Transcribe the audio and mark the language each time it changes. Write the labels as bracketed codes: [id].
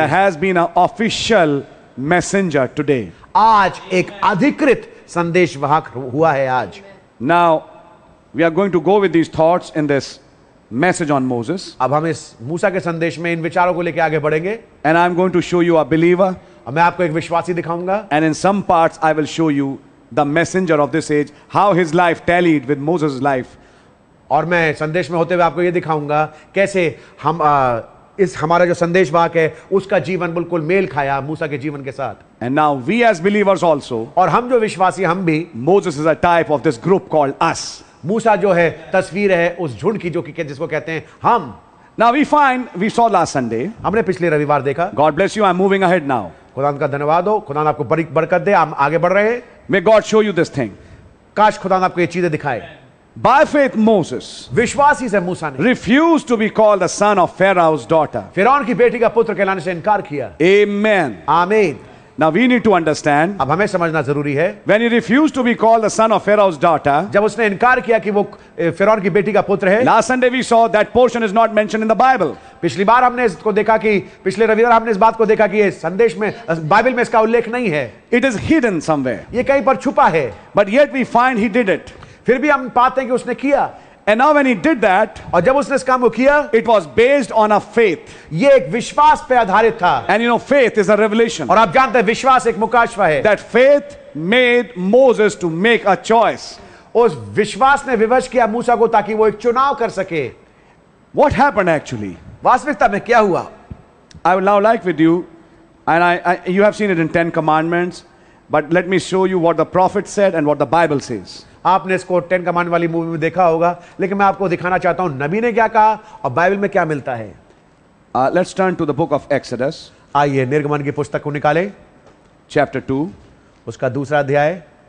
[en] there has been an official messenger today, [hi] आज एक अधिकृत संदेशवाहक हुआ है आज, [en] now we are going to go with these thoughts in this message on Moses. [hi] अब हम इस मूसा के संदेश में इन विचारों को लेकर आगे बढ़ेंगे. [en] And I'm going to show you a believer. [hi] और मैं आपको एक विश्वासी दिखाऊंगा. [en] And in some parts I will show you the messenger of this age, how his life tallied with Moses' life. [hi] और मैं संदेश में होते हुए आपको ये दिखाऊंगा कैसे हम इस हमारा जो संदेशवाहक है उसका जीवन बिल्कुल मेल खाया मूसा के जीवन के साथ. [en] And now we as believers also. [hi] और हम जो विश्वासी हम भी. [en] Moses is a type of this group called us. [hi] मूसा जो है तस्वीर है उस झुंड की जो कि जिसको कहते हैं हम. [en] Now we find we saw last Sunday. [hi] हमने पिछले रविवार देखा. [en] God bless you. I'm moving ahead now. [hi] खुदान का धन्यवाद हो. खुदान आपको बड़ी बरकत दे. हम आगे बढ़ रहे हैं. [en] May God show you this thing. [hi] काश खुदान आपको ये चीजें दिखाए. [en] By faith Moses. [hi] विश्वासी से मूसा ने. [en] Refused to be called the son of Pharaoh's daughter. [hi] फिरौन की बेटी का पुत्र कहलाने से इनकार किया. [en] Amen. [hi] आमीन. [en] Now we need to understand. [hi] अब हमें समझना जरूरी है. [en] When he refused to be called the son of Pharaoh's daughter. [hi] जब उसने इनकार किया कि वो फिरौन की बेटी का पुत्र है. [en] Last Sunday we saw that portion is not mentioned in the Bible. [hi] पिछली बार हमने इसको देखा कि पिछले रविवार हमने इस बात को देखा कि ये संदेश में बाइबल में इसका उल्लेख नहीं है. [en] It is hidden somewhere. [hi] ये कहीं पर छुपा है. [en] But yet we find he did it. [hi] फिर भी हम पाते हैं कि उसने किया. [en] And now when he did that, [hi] और जब उसने इस काम को किया, [en] it was based on a faith. [hi] ये एक विश्वास पे आधारित था. [en] And you know, faith is a revelation. [hi] और आप जानते हैं, विश्वास एक मुकाशवा है. [en] That faith made Moses to make a choice. [hi] उस विश्वास ने विवश किया मूसा को ताकि वो एक चुनाव कर सके. [en] What happened actually? [hi] वास्तविकता में क्या हुआ? [en] I would now like with you, and I you have seen it in 10 commandments, but let me show you what the prophet said and what the Bible says. [hi] आपने इसको 10 command वाली movie में देखा होगा, लेकिन मैं आपको दिखाना चाहता हूं नबी ने क्या कहा और बाइबल में क्या मिलता है. [en] Let's turn to the book of Exodus. [hi] आइए निर्गमन की पुस्तक को निकाले, [en] chapter 2, [hi] उसका दूसरा अध्याय.